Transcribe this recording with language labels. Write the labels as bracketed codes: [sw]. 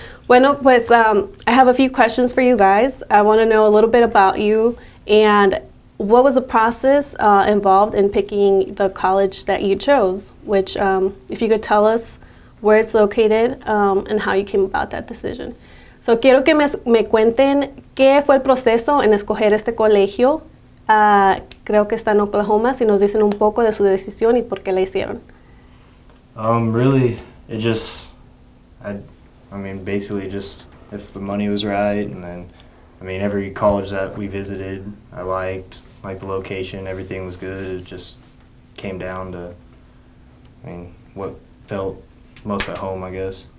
[es] Bueno, pues [en] I have a few questions for you guys. I want to know a little bit about you and what was the process involved in picking the college that you chose? Which, if you could tell us where it's located and how you came about that decision. [es] So quiero que me cuenten qué fue el proceso en escoger este colegio. Creo que está en Oklahoma. Si nos dicen un poco de su decisión y por qué la hicieron. [en] Really, it just, basically just if the money was right, and then, every college that we visited, I liked. Like the location, everything was good. It just came down to, what felt most at home, I guess.